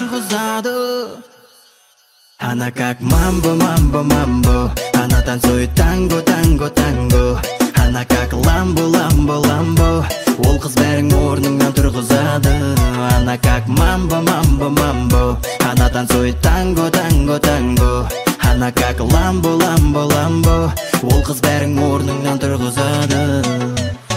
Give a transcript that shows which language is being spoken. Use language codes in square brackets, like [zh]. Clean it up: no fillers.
[ru] Она как мамбо, мамбо, мамбо, она танцует танго, танго, танго. Она как ламбо, ламбо, ламбо, [kk] ол қыз бәрің орныңнан тұрғызады. [ru] Она как мамбо, мамбо, мамбо, она танцует танго, танго, танго. Она как ламбо, ламбо, ламбо, [kk] ол қыз бәрің орныңнан тұрғызады.